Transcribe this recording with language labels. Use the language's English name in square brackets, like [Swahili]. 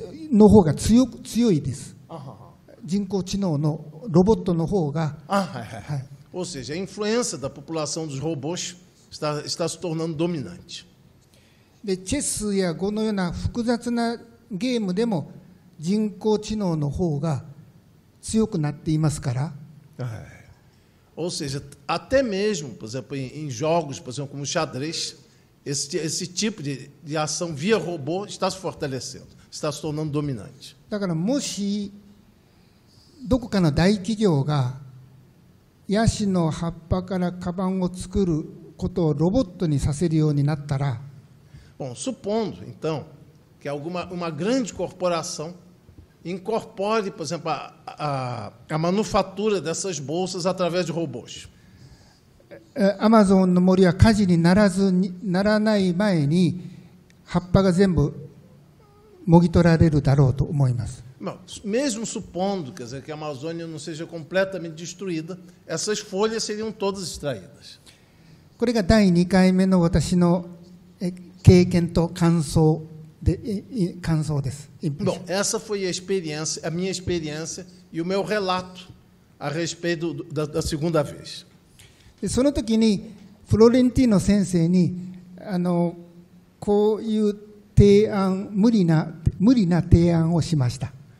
[Japanese] の方が 強いです。人工知能のロボットの方が。 [Portuguese] Ou seja, a influência da população dos robôs está se tornando dominante. [Japanese] De chess e go のような複雑なゲームでも人工知能の方が強くなっていますから。 [Portuguese] Ou seja, até mesmo, por exemplo, em jogos, por exemplo, como xadrez, esse tipo de ação via robô está se fortalecendo, está se tornando dominante. [Japanese] だからもしどこかの大企業がヤシの葉っぱからカバンを作ることをロボットにさせるようになったら、 [Portuguese] bom, supondo então que alguma uma grande corporação incorpore, por exemplo, a manufatura dessas bolsas através de robôs. [Japanese] Amazon の森は火事にならずにならない前に葉っぱが全部もぎ取られるだろうと思います。 [Portuguese] Mesmo supondo, quer dizer, que a Amazônia não seja completamente destruída, essas folhas seriam todas extraídas. [Japanese] これが第2回目の私の経験と感想で感想です。 [Portuguese] Bom, essa foi a experiência, a minha experiência e o meu relato a respeito da segunda vez. [Japanese] その時にフロレンティーノ先生にあのこういう提案無理な提案をしました。